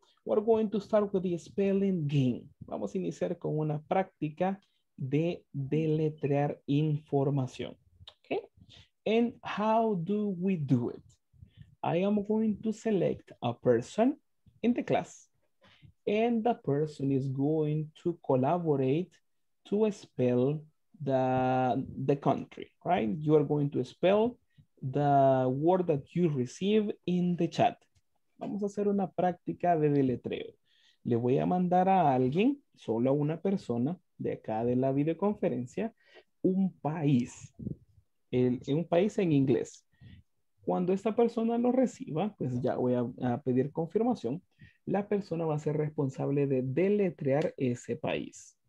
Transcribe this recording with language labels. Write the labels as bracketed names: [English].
[English] We're going to start with the spelling game. [Spanish] Vamos a iniciar con una práctica de deletrear información. [English] Okay. And how do we do it? I am going to select a person in the class. And the person is going to collaborate to spell the country, right? You are going to spell the word that you receive in the chat. [Spanish] Vamos a hacer una práctica de deletreo. Le voy a mandar a alguien, solo a una persona, de acá de la videoconferencia, un país. En un país en inglés. Cuando esta persona lo reciba, pues ya voy a pedir confirmación, la persona va a ser responsable de deletrear ese país.